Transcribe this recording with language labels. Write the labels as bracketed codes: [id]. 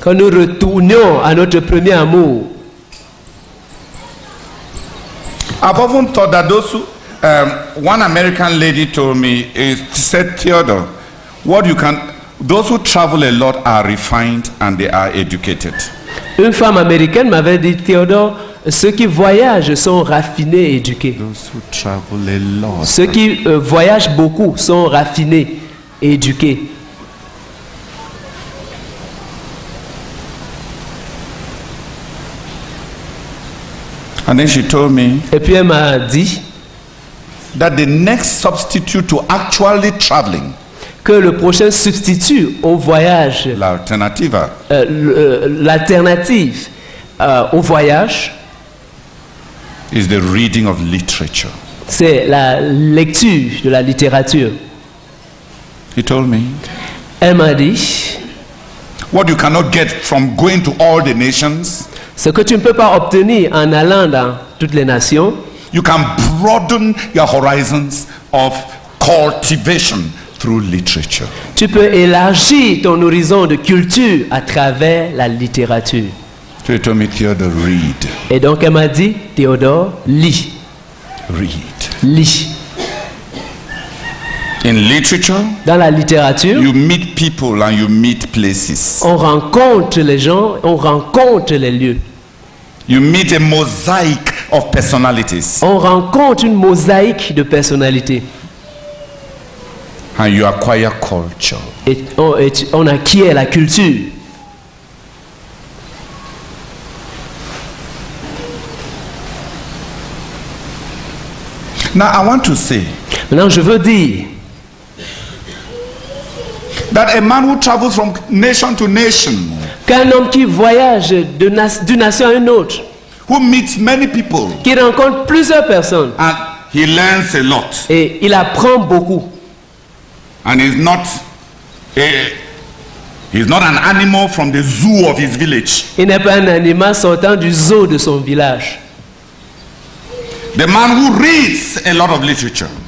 [fr] Que nous retournions à notre premier amour. [en] I've often thought that those who, one American lady told me, it said, Theodore, what you can, those who travel a lot are refined and they are educated. [fr] Une femme américaine m'avait dit, Theodore, ceux qui voyagent sont raffinés et éduqués. [en] Those who travel a lot. [fr] Ceux qui voyagent beaucoup sont raffinés et éduqués. [en] And then she told me. [fr] Et puis elle m'a dit [en] that the next substitute to actually traveling. [fr] Que le prochain substitut au voyage. L'alternative. L'alternative au voyage. [en] is the reading of literature. [fr] C'est la lecture de la littérature. [en] He told me. [fr] Elle m'a dit. [en] What you cannot get from going to all the nations. [fr] Ce que tu ne peux pas obtenir en allant dans toutes les nations. [en] You can broaden your horizons of cultivation through literature. [fr] Tu peux élargir ton horizon de culture à travers la littérature. [en] So he told me, Theodore, read. [fr] Et donc elle m'a dit, Théodore, lis. [en] Read. [fr] Lis. [en] In literature, [fr] dans la littérature, [en] you meet people and you meet places. [fr] On rencontre les gens, on rencontre les lieux. [en] You meet a mosaic of personalities. [fr] On rencontre une mosaïque de personnalités. [en] And you acquire culture. [fr] Et on acquiert la culture. [en] Now I want to say. [fr] Maintenant, je veux dire. [en] That a man who travels from nation to nation, [fr] qu'un homme qui voyage d'une nation à une autre, [en] who meets many people, [fr] qui rencontre plusieurs personnes, [en] and he learns a lot, [fr] et il apprend beaucoup, [en] and he's not an animal from the zoo of his village. [fr] Il n'est pas un animal sortant du zoo de son village. [en] The man who reads a lot of literature,